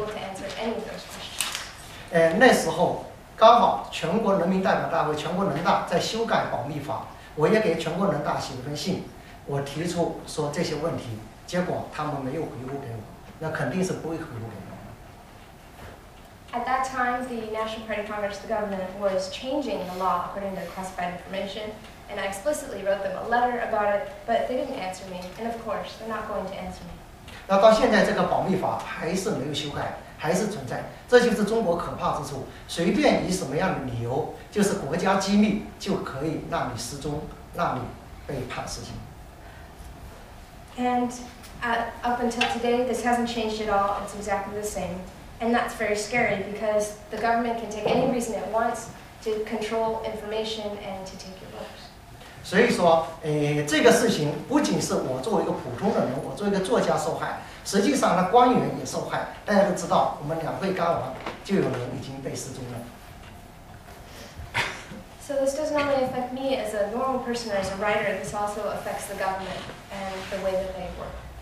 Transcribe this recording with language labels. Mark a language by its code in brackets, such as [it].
[en] When will it be open again? They weren't able to answer any of those questions. [zh] 那时候刚好全国人民代表大会、全国人大在修改保密法，我也给全国人大写了封信，我提出说这些问题，结果他们没有回复给我，那肯定是不会回复给我。 [en] At that time, the National Party Congress, the government, was changing the law according to classified information, and I explicitly wrote them a letter about it, but they didn't answer me, and of course, they're not going to answer me. [zh] 那到现在这个保密法还是没有修改，还是存在，这就是中国可怕之处，随便以什么样的理由，就是国家机密就可以让你失踪，让你被判死刑。 [en] And up until today, this hasn't changed at all, it's exactly the same. And that's very scary because the government can take any reason it wants to control information and to take your books. [zh] 所以说这个事情不仅是我作为一个普通的人，我作为一个作家受害，实际上呢官员也受害，大家都知道我们两会刚完就有人已经被失踪了。 [en] So this doesn't only affect me as a normal person or as a writer, this also affects the government and the way that they work.